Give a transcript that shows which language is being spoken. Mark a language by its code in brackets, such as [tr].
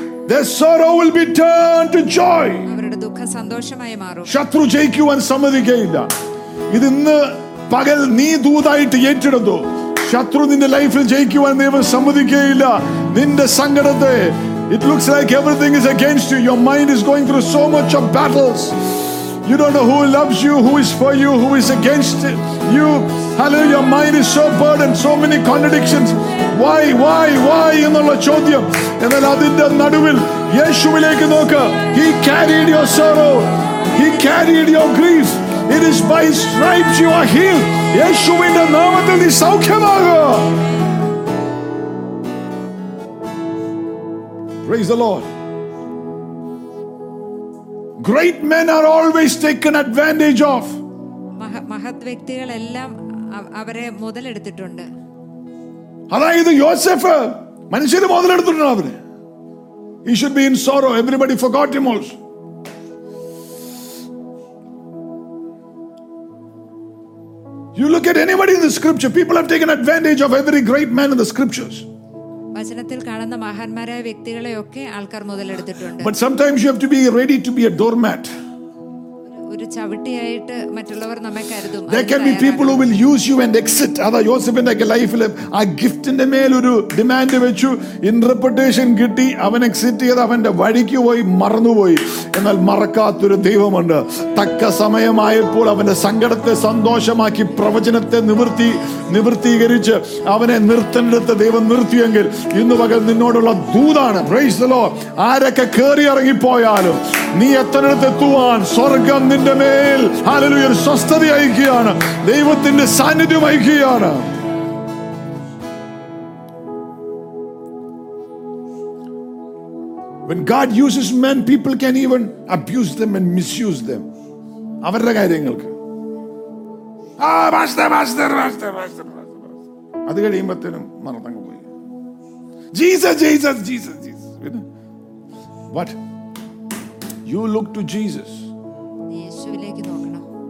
[en] The sorrow will be turned to joy. [ml] അവരുടെ ദുഃഖം സന്തോഷമായി മാറും. ശത്രു ജയിക്കുവാൻ സമ്മതിക്കയില്ല. ഇതിന്ന് പകൽ നീ ദൂതായിട്ട് ഏറ്റെടുത്തു. ശത്രു നിന്റെ ലൈഫിൽ ജയിക്കുവാൻ ദൈവം സമ്മതിക്കുകയില്ല. നിന്റെ സങ്കടത്തെ, [en] it looks like everything is against you. Your mind is going through so much of battles. You don't know who loves you, who is for you, who is against you. Hallelujah, your mind is so burdened, so many contradictions. [ml] Why എന്നുള്ള ചോദ്യം. എന്നാൽ അതിന്റെ നടുവിൽ യേശുവിലേക്ക് നോക്ക്. [en] He carried your sorrow. He carried your grief. It is by his stripes you are healed. [ml] യേശുവിന്റെ നാമത്തിൽ നീ സൗഖ്യമാകുക. [en] Praise the Lord. Great men are always taken advantage of. [ml] മഹത് വ്യക്തികൾ എല്ലാം അവരെ മുതലെടുത്തിട്ടുണ്ട്. അതായത് യോസഫ് മനുഷ്യരെ മുതലെടുത്തിട്ടുണ്ട് അവര്. [en] He should be in sorrow. Everybody forgot him also. You look at anybody in the scripture, people have taken advantage of every great man in the scriptures. [ml] വചനത്തിൽ കാണുന്ന മഹാന്മാരായ വ്യക്തികളെ ഒക്കെ ആൾക്കാർ മുതലെടുത്തിട്ടുണ്ട്. [en] But sometimes you have to be ready to be a doormat. [ml] ഒരു ചവിട്ടിയായിട്ട് മറ്റുള്ളവർ നമ്മെ കരുതും. [en] There can be people who will use you and exit. [ml] അതാ യോസഫിന്റെ ലൈഫിൽ ആ ഗിഫ്റ്റിന്റെ മേൽ ഒരു ഡിമാൻഡ് വെച്ചു. ഇന്റർപ്രിട്ടേഷൻ കിട്ടി. അവൻ എക്സിറ്റ് ചെയ്ത് അവന്റെ വഴിക്ക് പോയി, മറന്നുപോയി. എന്നാൽ മറക്കാത്തൊരു ദൈവമുണ്ട്. തക്ക സമയമായപ്പോൾ അവന്റെ സങ്കടത്തെ സന്തോഷമാക്കി പ്രവചനത്തെ നിവൃത്തീകരിച്ച് അവനെ നിർത്തനെടുത്ത ദൈവം നിർത്തിയെങ്കിൽ ഇന്ന് പകൽ നിന്നോടുള്ള ദൂതാണ്. [en] Praise the Lord. [ml] ആരൊക്കെ കയറി ഇറങ്ങിപ്പോയാലും നീ എത്തനടുത്ത് എത്തുവാൻ സ്വർഗം നിന്റെ മേൽ ഹല്ലേലൂയ സ്വസ്ഥത അയക്കുകയാണ്, ദൈവത്തിന്റെ സാന്നിധ്യം അയക്കുകയാണ്. [en] When God uses men, people can even abuse them and misuse them. [ml] അവരുടെ കാര്യങ്ങൾക്ക്. ആ pastor pastor pastor pastor pastor അത് കഴിയുമ്പോഴത്തേനും മരണത്തങ്ങ് പോയി. [en] Jesus Jesus Jesus Jesus. But you look to Jesus. [ml] യേശുവിലേക്ക് നോക്കണം.